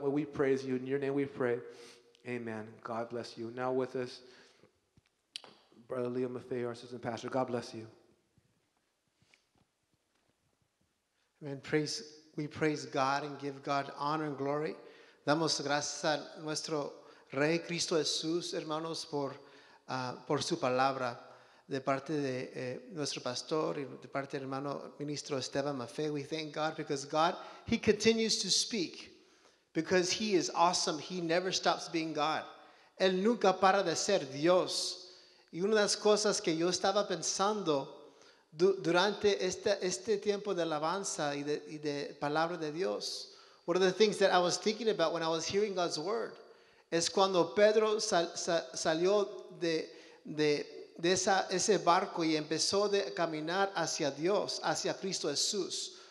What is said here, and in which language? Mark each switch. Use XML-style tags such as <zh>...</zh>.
<en>Well, we praise You. In Your name we pray. Amen. God bless you. Now with us, Brother Leo Maffei, our assistant pastor. God bless you. Amen. We praise God and give God honor and glory.</en> <es>Damos gracias a nuestro Rey Cristo Jesús, hermanos, por su palabra de parte de nuestro pastor y de parte del hermano ministro Esteban Maffei.</es> <en>We thank God because God, He continues to speak because He is awesome. He never stops being God.</en> <es>Él nunca para de ser Dios. Y una de las cosas que yo estaba pensando durante este tiempo de alabanza y de palabra de Dios,</es> <en>one of the things that I was thinking about when I was hearing God's word</en> <es>es cuando Pedro salió de ese barco y empezó de caminar hacia Dios, hacia Cristo Jesús.</es>